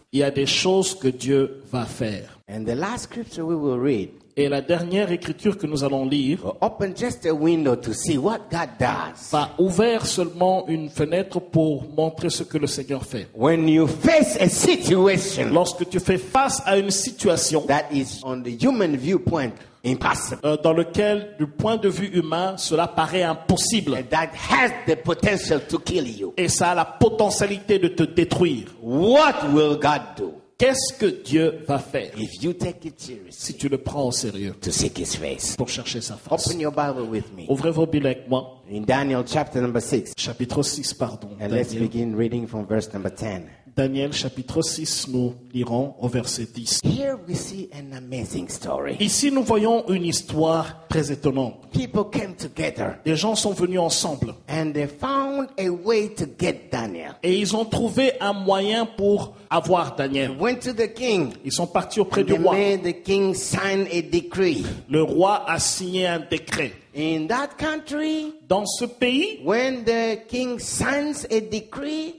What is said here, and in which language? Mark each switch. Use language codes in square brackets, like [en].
[fr] Il y a des choses que Dieu va faire. [en] And the last scripture we will read, [fr] et la dernière écriture que nous allons lire [en] open just a window to see what God does. [fr] Va ouvrir seulement une fenêtre pour montrer ce que le Seigneur fait. [en] When you face a situation, [fr] lorsque tu fais face à une situation [en] that is on the human viewpoint, impossible. [fr] Dans lequel, du point de vue humain, cela paraît impossible. [en] And that has the potential to kill you. [fr] Et ça a la potentialité de te détruire. [en] What will God do? [fr] Qu'est-ce que Dieu va faire? [en] If you take it seriously, [fr] si tu le prends au sérieux, [en] to seek his face, [fr] pour chercher sa face. [en] Open your Bible with me. [fr] Ouvrez vos Bibles avec moi. [en] In Daniel chapter number 6. [fr] Chapitre 6, pardon. [en] And Daniel. Let's begin reading from verse number 10. [fr] Daniel chapitre 6, nous lirons au verset 10. [en] Here we see an amazing story. [fr] Ici, nous voyons une histoire très étonnante. [en] People came together. [fr] Des gens sont venus ensemble. [en] And they found a way to get Daniel. [fr] Et ils ont trouvé un moyen pour avoir Daniel. [en] They went to the king. [fr] Ils sont partis auprès [en] and [fr] du roi. [en] Made the king sign a decree. [fr] Le roi a signé un décret. [en] In that country, [fr] dans ce pays, [en] when the king signs a decree,